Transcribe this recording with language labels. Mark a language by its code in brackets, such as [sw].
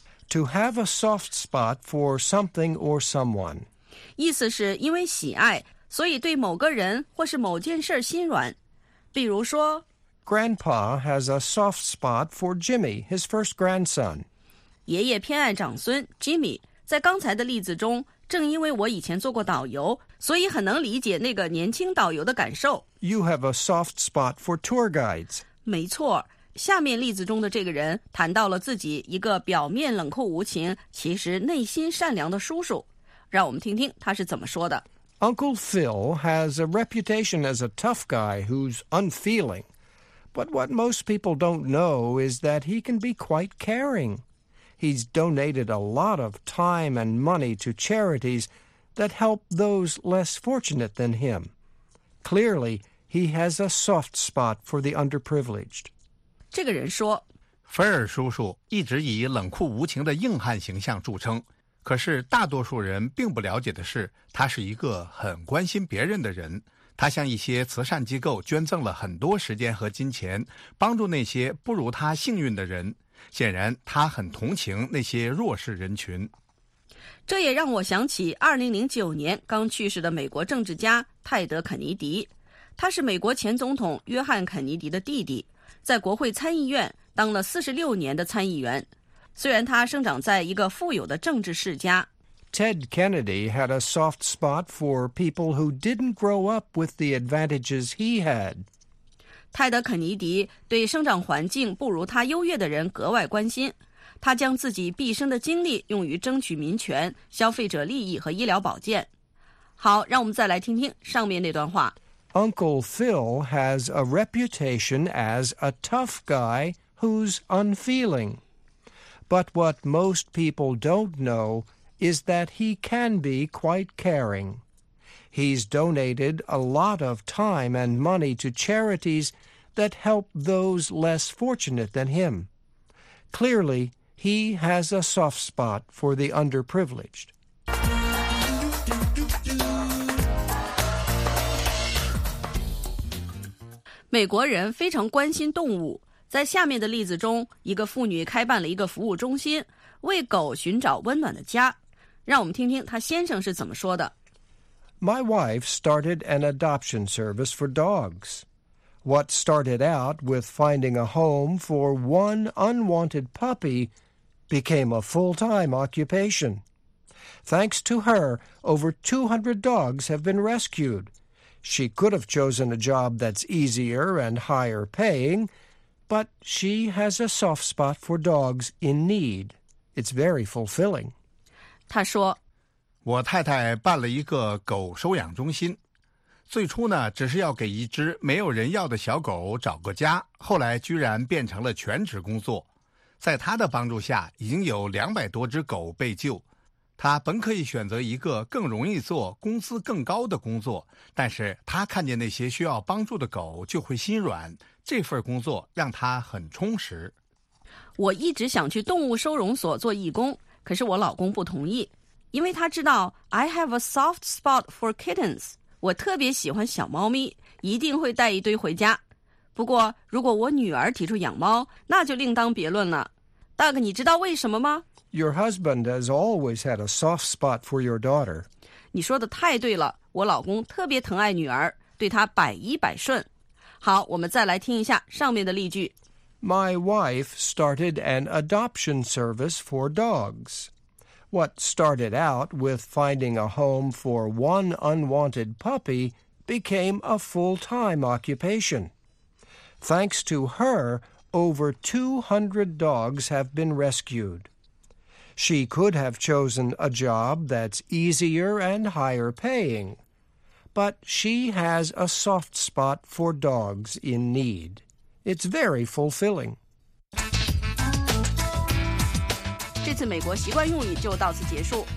[en] To have a soft spot for something or someone. [zh] 意思是因为喜爱，所以对某个人或是某件事心软。比如说 [en] Grandpa has a soft spot for Jimmy, his first grandson. [zh] 爷爷偏爱长孙 Jimmy. 在刚才的例子中，正因为我以前做过导游，所以很能理解那个年轻导游的感受。 [en] You have a soft spot for tour guides. [zh] 没错。下面例子中的这个人谈到了自己一个表面冷酷无情，其实内心善良的叔叔。让我们听听他是怎么说的。 [en] Uncle Phil has a reputation as a tough guy who's unfeeling. But what most people don't know is that he can be quite caring. He's donated a lot of time and money to charities that help those less fortunate than him. Clearly, he has a soft spot for the underprivileged. [zh] 这个人说，菲尔叔叔一直以冷酷无情的硬汉形象著称，可是大多数人并不了解的是，他是一个很关心别人的人。他向一些慈善机构捐赠了很多时间和金钱，帮助那些不如他幸运的人。显然，他很同情那些弱势人群。这也让我想起2009年刚去世的美国政治家泰德·肯尼迪，他是美国前总统约翰·肯尼迪的弟弟。在国会参议院当了46年的参议员，虽然他生长在一个富有的政治世家。 [en] Ted Kennedy had a soft spot for people who didn't grow up with the advantages he had. [zh] 泰德·肯尼迪对生长环境不如他优越的人格外关心，他将自己毕生的精力用于争取民权、消费者利益和医疗保健。好，让我们再来听听上面那段话。 [en] Uncle Phil has a reputation as a tough guy who's unfeeling. But what most people don't know is that he can be quite caring. He's donated a lot of time and money to charities that help those less fortunate than him. Clearly, he has a soft spot for the underprivileged. [zh] 美国人非常关心动物。在下面的例子中，一个妇女开办了一个服务中心，为狗寻找温暖的家。让我们听听她先生是怎么说的。 [en] My wife started an adoption service for dogs. What started out with finding a home for one unwanted puppy became a full-time occupation. Thanks to her, over 200 dogs have been rescued. She could have chosen a job that's easier and higher paying, but she has a soft spot for dogs in need. It's very fulfilling. [zh] 他说，我太太办了一个狗收养中心。最初呢，只是要给一只没有人要的小狗找个家，后来居然变成了全职工作。在他的帮助下，已经有200多只狗被救。他本可以选择一个更容易做、工资更高的工作，但是他看见那些需要帮助的狗就会心软，这份工作让他很充实。我一直想去动物收容所做义工，可是我老公不同意，因为他知道 [en] I have a soft spot for kittens， [zh] 我特别喜欢小猫咪，一定会带一堆回家。不过如果我女儿提出养猫，那就另当别论了。 Doug， 你知道为什么吗？ [en] Your husband has always had a soft spot for your daughter. [zh] 你说的太对了，我老公特别疼爱女儿，对她百依百顺。好，我们再来听一下上面的例句。 [en] My wife started an adoption service for dogs. What started out with finding a home for one unwanted puppy became a full-time occupation. Thanks to her, over 200 dogs have been rescued. She could have chosen a job that's easier and higher paying, but she has a soft spot for dogs in need. It's very fulfilling. [zh] 这次美国习惯用语就到此结束。